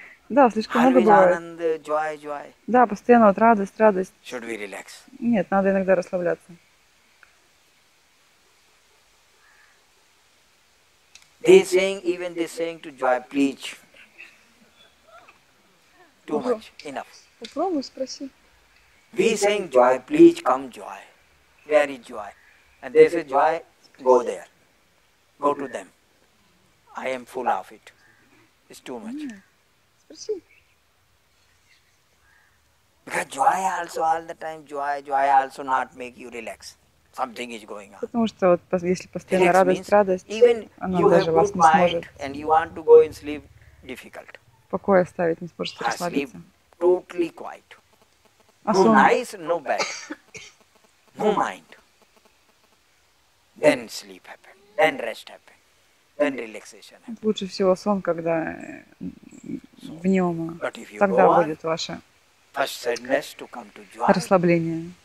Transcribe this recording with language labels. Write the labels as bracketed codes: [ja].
[ru] Да, слишком много бывает. Да, постоянно вот радость, радость. [en] Should we relax? [ru] Нет, надо иногда расслабляться. [en] They saying, even they saying to joy, preach. Too much, enough. [ru] Попробуй, спроси. [en] We saying joy, please come joy. Where is joy? And they say joy, go there. Go to them. I am full of it. It's too much. [ru] Спроси. [en] Because joy also all the time, joy, joy also not make you relax. Something is going on. [ru] Потому что вот если постоянно радость, радость, она даже вас не сможет. [en] And you want to go and sleep difficult. [ru] Покой оставить не сможете расслабиться. [en] Totally quiet. [ru] А сон? [en] No eyes, no bed, no mind. Then sleep happen, then rest happen, then relaxation happen. [ru] Лучше всего сон, когда в нем, тогда будет ваше расслабление.